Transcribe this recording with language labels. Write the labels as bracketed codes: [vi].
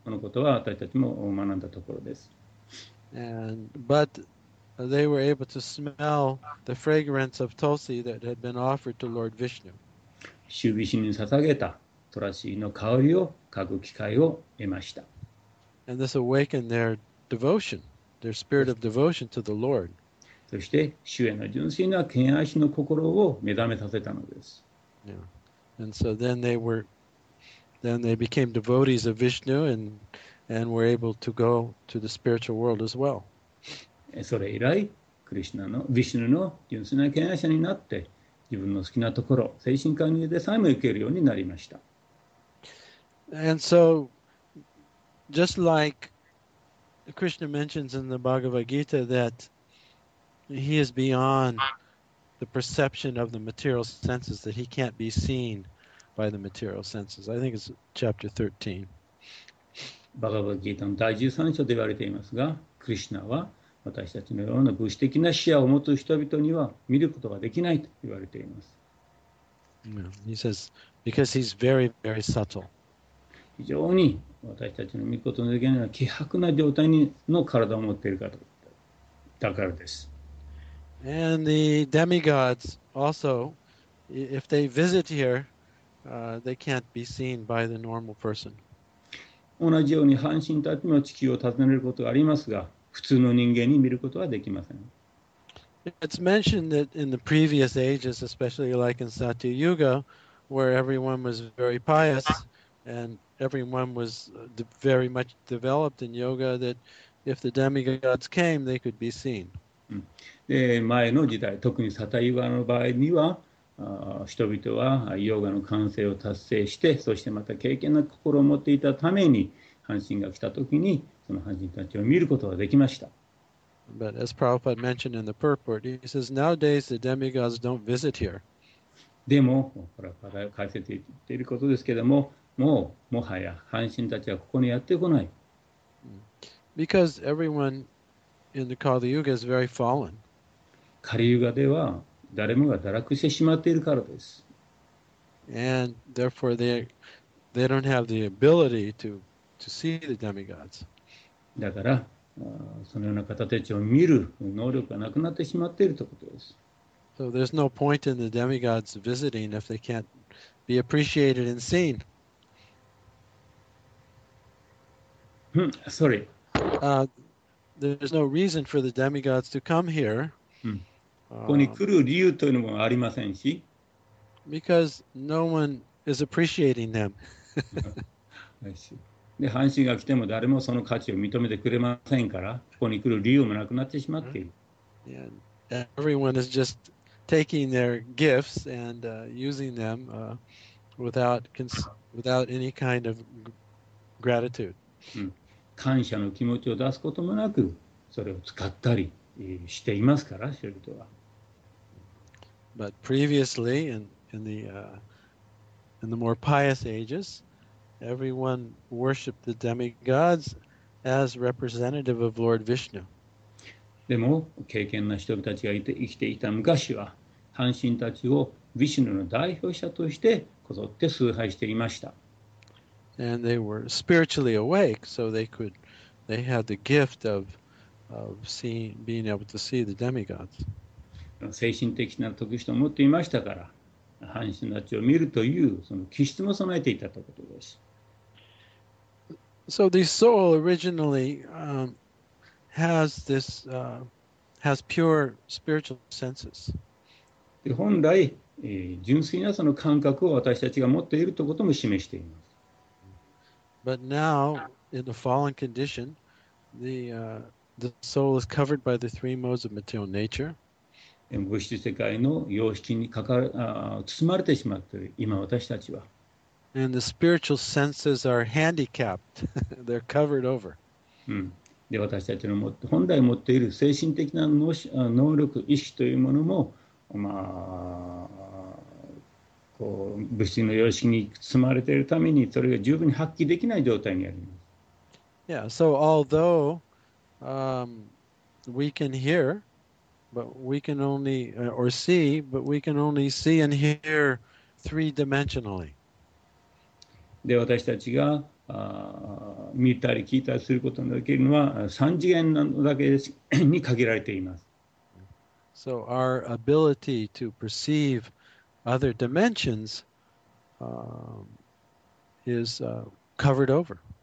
[ja] このことは私たちも学んだところです。 [en] And, butthey were able to smell the fragrance of Tulsi that had been offered to Lord Vishnu. [ja] シュヴィシュヌに捧げたトラシーの香りを嗅ぐ機会を得ました。 [en] And this awakened their devotion, their spirit of devotion to the Lord. [ja] そして、主への純粋な敬愛の心を目覚めさせたのです。 [en] Yeah. And so then they became devotees of Vishnu and were able to go to the spiritual world as well. [ja] それ以来、クリシュナの、ヴィシュヌの純粋な敬愛者になって、自分の好きなところ、精神界でさえも行けるようになりました。 [en] And so, just like Krishna mentions in the Bhagavad Gita that he is beyond the perception of the material senses, that he can't be seen by the material senses. I think it's chapter 13. [ja] バガバギータの第13章で言われていますが、クリシュナは、私たちのような物質的な視野を持つ人々には見ることができないと言われています。 [en] Yeah. He says, because he's very, very subtle. [ja] 非常に私たちの御事の出来には希薄な状態にの体を持っているかとだからです。 [en] And the demigods also, if they visit here, they can't be seen by the normal person. [ja] 同じように半神たちも地球を訪ねることがありますが、普通の人間に見ることはできません。 [en] It's mentioned that in the previous ages, especially like in Satyayuga, where everyone was very pious and everyone was very much developed in yoga, that if the demigods came, they could be seen. [ja] で、前の時代、特にサタユガの場合には、人々はヨガの完成を達成して、そしてまた敬虔な心を持っていたために、半神が来た時に、その半神たちを見ることができました。 [en] But as Prabhupada mentioned in the purport, he says nowadays the demigods don't visit here. [ja] でも、これは解説していることですけども、もうもはや半神たちはここにやってこない。 [en] Because everyone in the Kali Yuga is very fallen. [ja] Kali Yuga では誰もが堕落してしまっているからです。 [en] And therefore they don't have the ability to see the demigods. [ja] だから、そのような方たちを見る能力がなくなってしまっているということです。 [en] So there's no point in the demigods visiting if they can't be appreciated and seen. Sorry. There's no reason for the demigods to come here. [ja] ここに来る理由というのもありませんし。 [en] Because no one is appreciating them. I see. [ja] で、阪神が来ても誰もその価値を認めてくれませんから、ここに来る理由もなくなってしまっている。 [en] Yeah. Everyone is just taking their gifts and using them without any kind of gratitude. [ja] 感謝の気持ちを出すこともなく、それを使ったりしていますから、シェルトは。 [en] But previously, in the more pious ages,Everyone worshipped the demigods as representative of Lord Vishnu. [ja] でも、敬虔な人たちが生きていた昔は、半神たちをヴィシュヌの代表者としてこぞって崇拝していました。 [en] And they were spiritually awake, so they had the gift of seeing, being able to see the demigods. [ja] 精神的な特質を持っていましたから、半神たちを見るというその気質も備えていたということです。 [en] So the soul originally has this has pure spiritual senses. [ja] で本来、純粋なその感覚を私たちが持っているということも示しています。 [en] But now, in the fallen condition, the soul is covered by the three modes of material nature. [ja] 物質世界の様式にかか包まれてしまっている今私たちは。 [en] And the spiritual senses are handicapped. They're covered over. [ja] で私たちの本来持っている精神的な能力、意識というものも、まあ、こう物質の様式に包まれているためにそれが十分に発揮できない状態にあります。 [en] Yeah, so although we can hear,But we can only, or see, but we can only see and hear three-dimensionally. [ja] で、私たちが見たり聞いたりすることができるのは三次元なのだけに限られています。 [en] So our ability to perceive other dimensions is covered over.